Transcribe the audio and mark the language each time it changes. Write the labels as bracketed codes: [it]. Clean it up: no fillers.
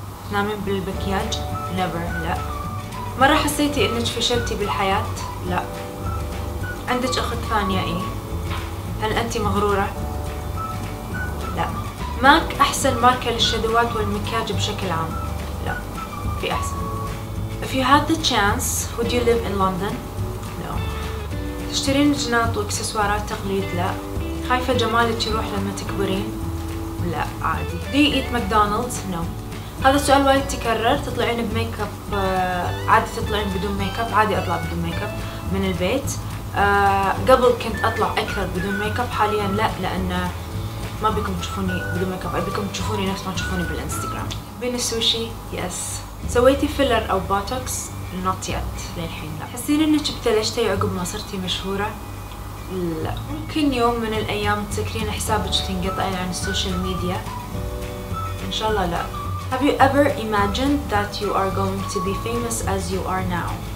[ar] تنامين بالمكياج؟ نيفر. لا. مرة حسيتي إنك فشلتي بالحياة؟ لا. عندك أخت ثانية؟ إيه. هل أنت مغرورة؟ لا. ماك أحسن ماركة للشذوات والمكياج بشكل عام؟ لا. في أحسن. [en] If you had the chance, would you live in London? No. [ar] تشترين جناط وإكسسوارات تقليد؟ لا. خايفة جمالك يروح لما تكبرين؟ لا عادي. [en] Do you eat McDonald's? No. [ar] هذا السؤال وايد تكرر. تطلعين بميك اب؟ عادي تطلعين بدون ميك اب؟ عادي أطلع بدون ميك اب من البيت. قبل كنت أطلع أكثر بدون ميك اب، حاليا لا، لأن ما بيكم تشوفوني بدون ميك اب، أبيكم تشوفوني نفس ما تشوفوني بالإنستغرام. بين السوشي؟ يس. سويتي فيلر أو بوتوكس؟ [en] not yet, [ar] للحين لا. حسين إنك ابتلشتي عقب ما صرتي مشهورة؟ لا. ممكن يوم من الأيام تسكرين حسابك تنقطعين عن السوشيال ميديا؟ إن شاء الله لا. [en] Have you ever imagined that you are going to be famous as you are now?